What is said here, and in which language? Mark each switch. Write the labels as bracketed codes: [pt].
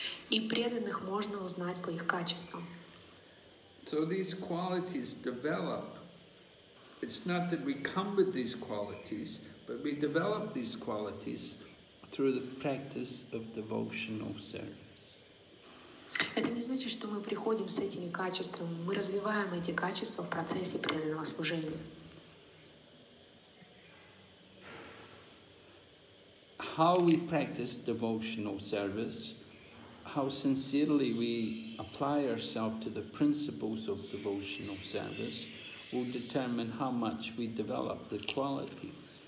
[ru] И преданных можно узнать по их качествам. [en] So these qualities develop. It's not that we come with these qualities, but we develop these qualities through the practice of devotional service. [ru] Это не значит, что мы приходим с этими качествами. Мы развиваем эти качества в процессе преданного служения. [en] How we practice devotional service, how sincerely we apply ourselves to the principles of devotional service will determine how much we develop the qualities.